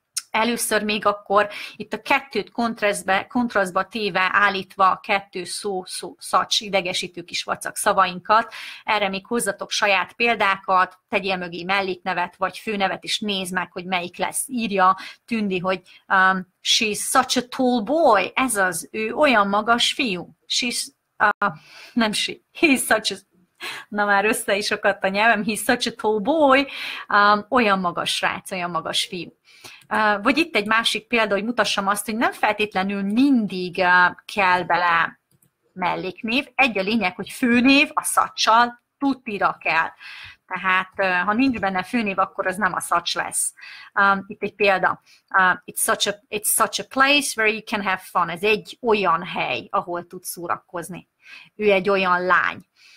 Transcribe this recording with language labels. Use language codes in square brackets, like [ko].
[hu] Először még akkor itt a kettőt kontrasztba téve állítva a kettő szacs idegesítő kis vacak szavainkat, erre még hozzatok saját példákat, tegyél mögé melléknevet vagy főnevet, és nézd meg, hogy melyik lesz, írja Tündi, hogy [en] she's such a tall boy, [hu] ez az, ő olyan magas fiú, [en] he's such a, [hu] na már össze is akadt a nyelvem, [en] he's such a tall boy, [hu] olyan magas srác, olyan magas fiú. Vagy itt egy másik példa, hogy mutassam azt, hogy nem feltétlenül mindig kell bele melléknév. Egy a lényeg, hogy főnév a szacsal tutira kell. Tehát ha nincs benne főnév, akkor az nem a szacs lesz. Itt egy példa. [en] It's such a place where you can have fun. [hu] Ez egy olyan hely, ahol tudsz szórakozni. Ő egy olyan lány.